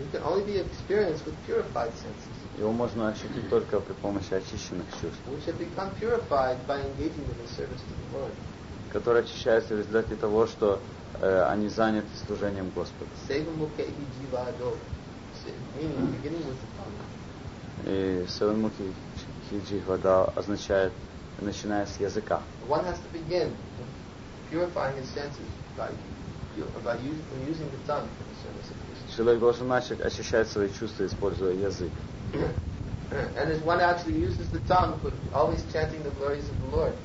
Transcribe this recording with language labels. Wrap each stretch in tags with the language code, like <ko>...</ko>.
<en>It can only be experienced with purified senses.</en> <ru>Его можно ощутить только при помощи очищенных чувств.</ru> <en>Which have become purified by engaging in the service to the Lord.</en> <ru>Которые очищаются в результате того, что они заняты служением Господа.</ru> <en>Seva mukhi jivado. Meaning beginning with the tongue.</en> <ru>И seva mukhi jivado означает начиная с языка.</ru> <en>One has to begin purifying his senses by using the tongue for the service of Krishna.</en> <ru>Человек должен начать очищать свои чувства, используя язык.</ru> <en>And as one actually uses the tongue for always chanting the glories of the Lord.</en>